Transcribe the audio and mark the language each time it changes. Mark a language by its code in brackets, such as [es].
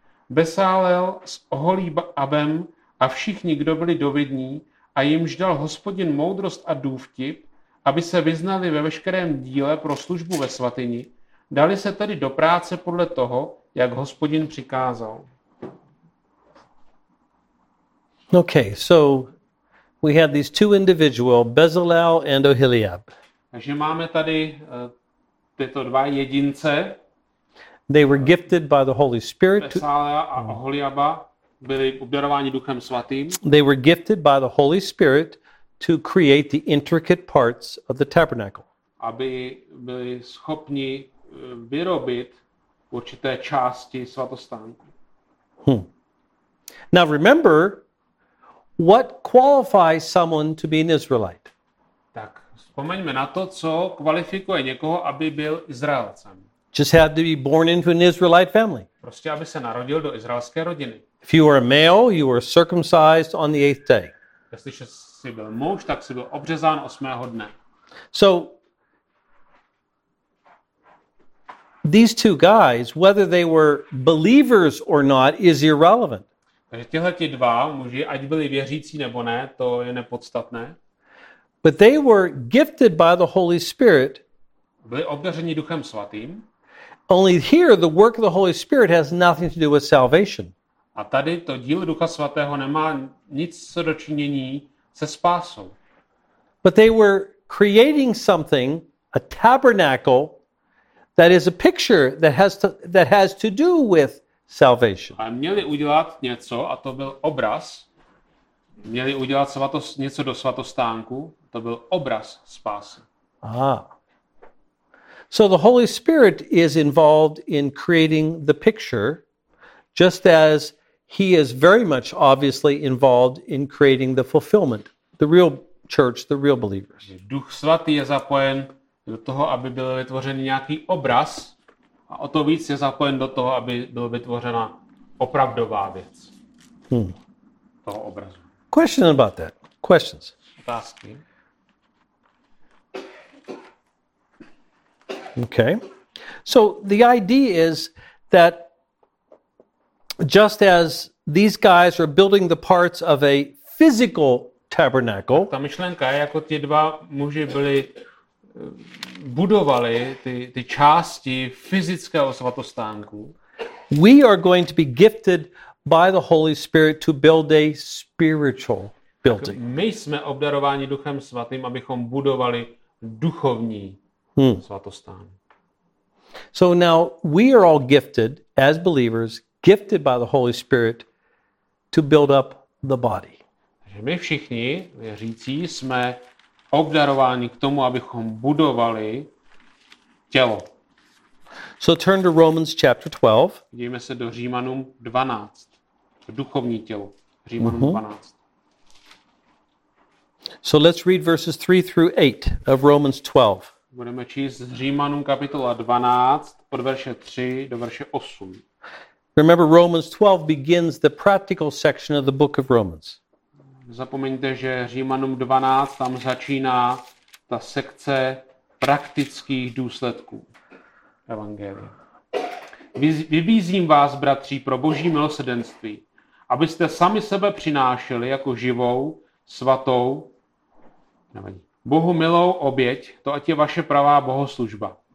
[cs] Besálel s Oholíbem a všichni, kdo byli dovední a jimž dal Hospodin moudrost a důvtip, aby se vyznali ve veškerém díle pro službu ve svatyni, dali se tedy do práce podle toho, jak Hospodin přikázal. [en] Okay, so we had these two individual, Bezalel and Oholiab. [cs] Takže máme tady tyto dva jedince. [en] They were gifted by the Holy Spirit. [cs] Bezalel a Oholiaba byli obdarováni Duchem Svatým. [en] They were gifted by the Holy Spirit to create the intricate parts of the tabernacle. [cs] Aby byli schopni vyrobit určité části svatostánku. [en] Now remember, what qualifies someone to be an Israelite? [cs] Tak, vzpomeňme na to, co kvalifikuje někoho, aby byl Izraelcem. [en] Just had to be born into an Israelite family. [cs] Prostě, aby se narodil do izraelské rodiny. [en] If you were a male, you were circumcised on the eighth day. [cs] Jestliže jsi byl muž, tak jsi byl obřezán 8. dne. [en] So, these two guys, whether they were believers or not, is irrelevant. [cs] Takže tihle ti dva muži, ať byli věřící nebo ne, to je nepodstatné. [en] But they were gifted by the Holy Spirit. [cs] Byli obdařeni Duchem Svatým. [en] Only here the work of the Holy Spirit has nothing to do with salvation. [cs] A tady to dílo Ducha Svatého nemá nic co dočinění se spásou. [en] But they were creating something, a tabernacle, that is a picture that has to do with salvation. [cs] A měli udělat něco, a to byl obraz. Měli udělat něco do svatostánku, To byl obraz spásy. Aha. [en] So the Holy Spirit is involved in creating the picture, just as he is very much obviously involved in creating the fulfillment, the real church, the real believers. [cs] Duch svatý je zapojen do toho, aby byl vytvořen nějaký obraz, a o to víc je zapojen do toho, aby byla vytvořena opravdová věc. Hmm. Toho obrazu. [en] Question about that. Questions. [cs] Otázky. [en] Okay. So the idea is that just as these guys are building the parts of a physical tabernacle. [cs] Ta myšlenka je, jako ty dva muži byli budovali ty části fyzického svatostánku. [en] We are going to be gifted by the Holy Spirit to build a spiritual building. [cs] My jsme obdarováni Duchem Svatým, abychom budovali duchovní svatostán. [en] So now we are all gifted as believers, gifted by the Holy Spirit to build up the body. [cs] Takže my všichni věřící jsme obdarováni k tomu, abychom budovali tělo. [en] So turn to Romans chapter 12. [cs] Dívejme se do Římanům 12. Duchovní tělo. Římanům 12. [en] So let's read verses 3 through 8 of Romans 12. [cs] Budeme číst z Římanům kapitola 12 od verše 3 do verše 8. [en] Remember, Romans 12 begins the practical section of the book of Romans. [cs] Zapomeňte, že Římanům 12 tam začíná ta sekce praktických důsledků evangelia. Vybízím vás, bratři, pro Boží milosrdenství, abyste sami sebe přinášeli jako živou, svatou, Bohu milou oběť, to ať je vaše pravá bohoslužba.